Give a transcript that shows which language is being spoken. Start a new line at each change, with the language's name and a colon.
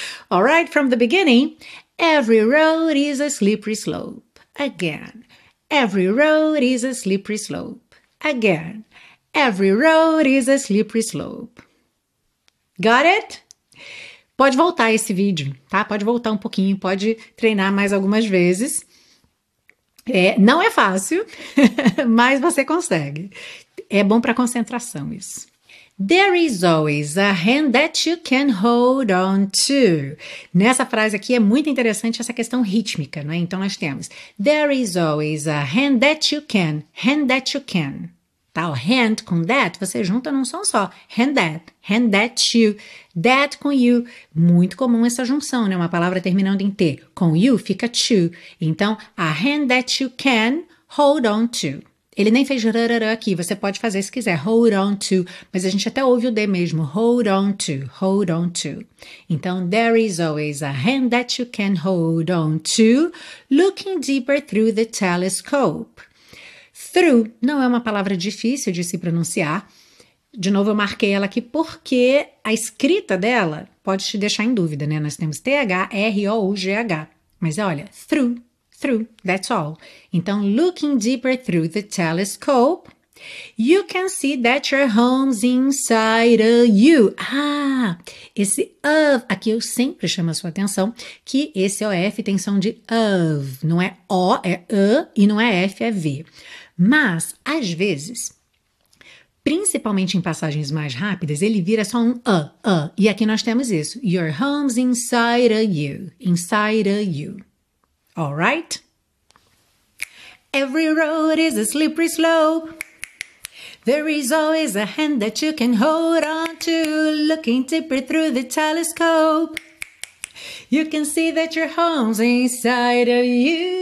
English: All right, from the beginning, every road is a slippery slope. Again. Every road is a slippery slope. Again, every road is a slippery slope. Got it?
Portuguese: Pode voltar esse vídeo, tá? Pode voltar um pouquinho, pode treinar mais algumas vezes. É, não é fácil, mas você consegue. É bom para concentração isso.
English: There is always a hand that you can hold on to.
Portuguese: Nessa frase aqui é muito interessante essa questão rítmica, né? Então nós temos
English: there is always a hand that you can, hand that you can.
Portuguese: Tá? O hand com that, você junta num som só.
English: Hand that you, that com you.
Portuguese: Muito comum essa junção, né? Uma palavra terminando em T. Com you fica to.
English: Então, a hand that you can hold on to.
Portuguese: Ele nem fez rarará aqui, você pode fazer se quiser,
English: hold on to,
Portuguese: mas a gente até ouve o D mesmo, hold on to, hold on to.
English: Então, there is always a hand that you can hold on to, looking deeper through the telescope.
Portuguese: Through não é uma palavra difícil de se pronunciar. De novo, eu marquei ela aqui porque a escrita dela pode te deixar em dúvida, né? Nós temos T-H-R-O-U-G-H, mas olha, through.
English: Through, that's all. Então, looking deeper through the telescope, you can see that your home's inside of you.
Portuguese: Ah, esse of, aqui eu sempre chamo a sua atenção, que esse OF tem som de of, não é O, é E, e não é F, é V. Mas, às vezes, Principalmente em passagens mais rápidas, ele vira só um E aqui nós temos isso.
English: Your home's inside of you. Inside of you. All right? Every road is a slippery slope. There is always a hand that you can hold on to. Looking deeper through the telescope, you can see that your home's inside of you.